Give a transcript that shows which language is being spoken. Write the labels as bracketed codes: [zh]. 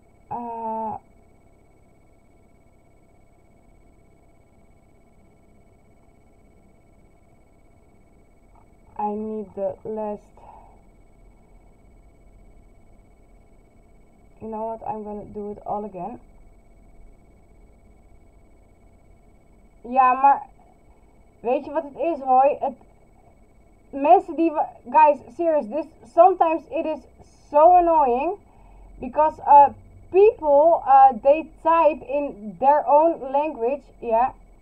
[en] I need the last. You know what, I'm gonna do it all again. [nl] Ja, maar weet je wat het is, Roy? Het, mensen die... [en] Guys, serious, this, sometimes it is so annoying. Because people, they type in their own language, yeah.